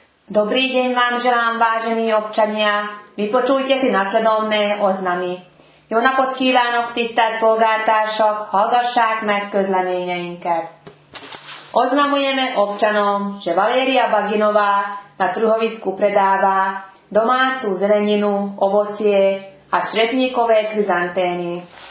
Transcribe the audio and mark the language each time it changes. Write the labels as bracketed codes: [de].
[sk] Dobrý deň vám želám, vážení občania. Vypočujte si nasledovné oznamy. [hu] Jó napot kívánok, tisztelt polgártársak, hallgassák meg közleményeinket. [sk] Oznamujeme občanom, že Valéria Baginová na truhovisku predáva domácu zeleninu, ovocie a črepníkové chryzantény.